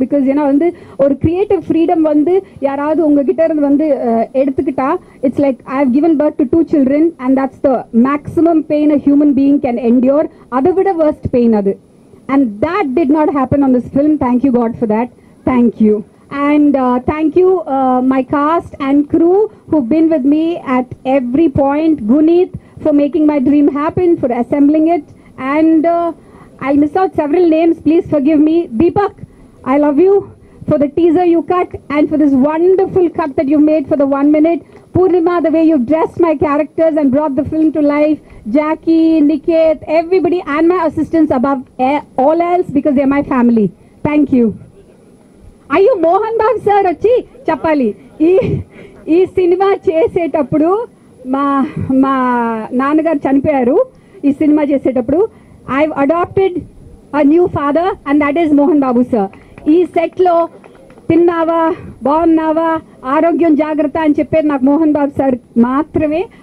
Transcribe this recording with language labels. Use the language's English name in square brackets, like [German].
[English] because [Tamil] ஏன்னா வந்து ஒரு [English] creative freedom [Tamil] வந்து யாராவது உங்ககிட்ட இருந்து வந்து எடுத்துக்கிட்டா, [English] It's like I have given birth to 2 children, and that's the maximum pain a human being can endure. [Tamil] அதை விட [English] Worst pain அது, and that did not happen on this film. Thank you God for that. Thank you. And thank you my cast and crew who've been with me at every point. Guneet for making my dream happen, for assembling it, and I miss out several names, please forgive me. Deepak, I love you for the teaser you cut and for this wonderful cut that you made for the 1 minute. Purnima, the way you've dressed my characters and brought the film to life. Jackie, Niket, everybody, and my assistants above all else, because they're my family. Thank you. [Telugu] అయ్యో Mohan Babu sir వచ్చి చెప్పాలి, ఈ cinema చేసేటప్పుడు మా నాన్నగారు చనిపోయారు. ఈ cinema చేసేటప్పుడు [English] I've adopted a new father and that is Mohan Babu sir. [Telugu] ఈ సెట్లో తిన్నావా, బాగున్నావా, ఆరోగ్యం జాగ్రత్త అని చెప్పేది నాకు మోహన్ బాబు సార్ మాత్రమే.